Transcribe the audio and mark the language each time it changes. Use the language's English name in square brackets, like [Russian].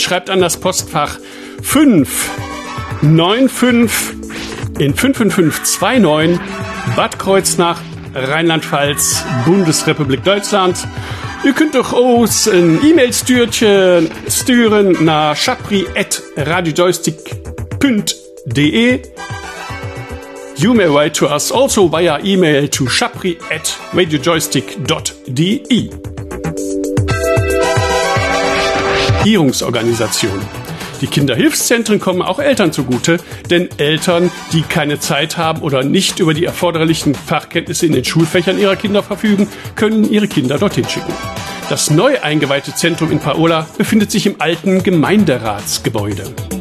[German] Schreibt an das Postfach 595 in 55529 Bad Kreuznach, Rheinland-Pfalz, Bundesrepublik Deutschland. Ihr könnt doch uns ein E-Mail-Stürchen stüren nach schapri@radiojoystick.de. [English] You may write to us also via email to schapri@radiojoystick.de. [German] Regierungsorganisation. Die Kinderhilfszentren kommen auch Eltern zugute, denn Eltern, die keine Zeit haben oder nicht über die erforderlichen Fachkenntnisse in den Schulfächern ihrer Kinder verfügen, können ihre Kinder dorthin schicken. Das neu eingeweihte Zentrum in Paola befindet sich im alten Gemeinderatsgebäude.